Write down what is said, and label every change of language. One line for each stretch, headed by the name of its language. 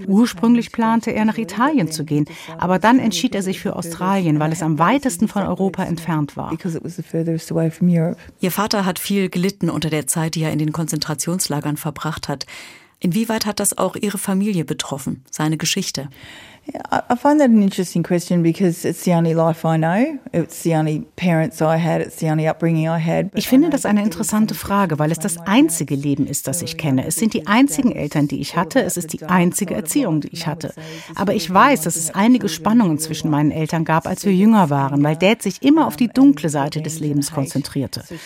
German: Ursprünglich plante er, nach Italien zu gehen, aber dann entschied er sich für Australien, weil es am weitesten von Europa entfernt war. Ihr Vater hat viel gelitten unter der Zeit, die er in den Konzentrationslagern verbracht hat. Inwieweit hat das auch Ihre Familie betroffen, seine Geschichte?
English: I find that an interesting question because it's the only life I know. It's the only parents I had. It's the only upbringing I had.
German: Ich finde das eine interessante Frage, weil es das einzige Leben ist, das ich kenne. Es sind die einzigen Eltern, die ich hatte. Es ist die einzige Erziehung, die ich hatte. Aber ich weiß, dass es einige Spannungen zwischen meinen Eltern gab, als wir jünger waren, weil Dad sich immer auf die dunkle Seite des Lebens konzentrierte.